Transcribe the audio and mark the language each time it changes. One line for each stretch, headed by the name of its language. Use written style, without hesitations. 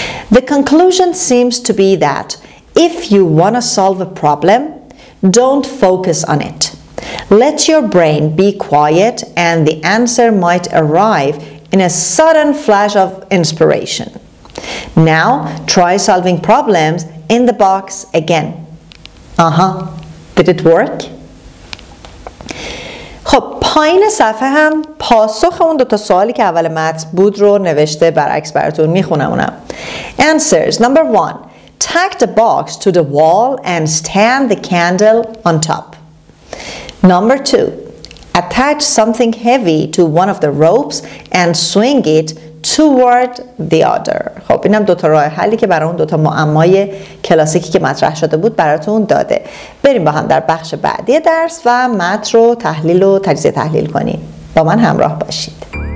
English: The conclusion seems to be that if you want to solve a problem, don't focus on it. Let your brain be quiet and the answer might arrive in a sudden flash of inspiration. Now try solving problems in the box again. Did it work?
Persian: خب پایین صفحه هم پاسخ اون دوتا سوالی که اول متن بود رو نوشته برعکس براتون میخونم اونم.
English: Answers number one. Tack the box to the wall and stand the candle on top. Number two. Attach something heavy to one of the ropes and swing it toward the other.
Persian: خب اینم دوتا راه حلی که برای اون دوتا معمای کلاسیکی که مطرح شده بود براتون داده. بریم با هم در بخش بعدی درس و متن رو تحلیل و تجزیه تحلیل کنیم. با من همراه باشید.